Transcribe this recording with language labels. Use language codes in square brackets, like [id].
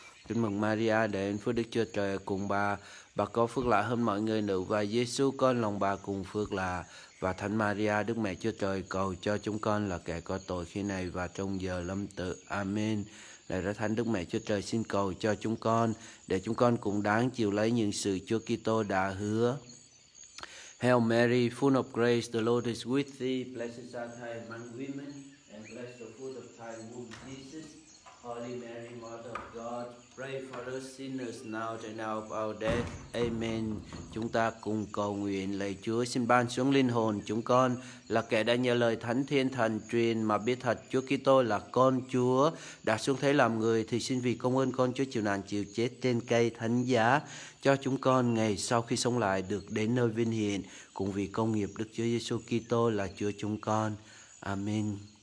[vi] Kính mừng Maria đến, phước Đức Chúa Trời ở cùng bà có phước lạ hơn mọi người nữ và Giêsu con lòng bà cùng phước lạ. Và Thánh Maria Đức Mẹ Chúa Trời cầu cho chúng con là kẻ có tội khi này và trong giờ lâm tử. Amen. Lạy ra Thánh Đức Mẹ Chúa Trời xin cầu cho chúng con để chúng con cũng đáng chịu lấy những sự Chúa Kitô đã hứa. [en] Hail Mary, full of grace, the Lord is with thee. Blessed art thou among women, and blessed the fruit of thy womb, Jesus. Holy Mary, Mother of God. Pray for the sinners now, the hour of our death. Amen. [vi] Chúng ta cùng cầu nguyện lạy Chúa xin ban xuống linh hồn chúng con là kẻ đã nhờ lời Thánh Thiên Thần truyền mà biết thật Chúa Kitô là con Chúa đã xuống thế làm người, thì xin vì công ơn con Chúa chịu nạn chịu chết trên cây thánh giá cho chúng con ngày sau khi sống lại được đến nơi vinh hiển cùng vì công nghiệp Đức Chúa Giêsu Kitô là Chúa chúng con. Amen.